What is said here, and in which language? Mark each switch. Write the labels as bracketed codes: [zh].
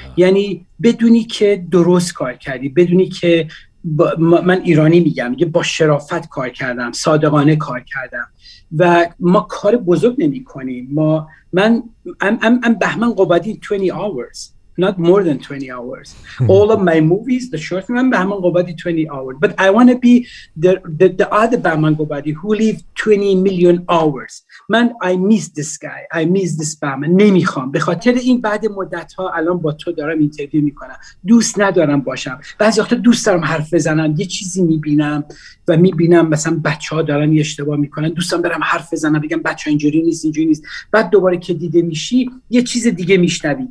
[fa] یعنی بدونی که درست کار کردی، بدونی که من ایرانی میگم، یه با شرافت کار کردم، صادقانه کار کردم و ما کار بزرگ نمی کنیم. من بهمن قبادی [en] 20 hours not more than 20 hours. All of my movies, the short film, Bahman Ghobadi, 20 hours. But I want to be the other Bahman Ghobadi who lived 20 million hours. Man, I miss this guy. I miss this Bahman. [fa] نمیخوام. به خاطر این بعد مدت ها الان با تو دارم اینترویو میکنم. دوست ندارم باشم. بعضی وقتا دوست دارم حرف بزنم. یه چیزی میبینم و میبینم مثلا بچه ها دارن یه اشتباه میکنن. دوستم برم حرف بزنم. بگم بچه ها اینجوری نیست. اینجوری نیست. بعد دوباره که دیده میشی یه چیز دیگه میشنوی.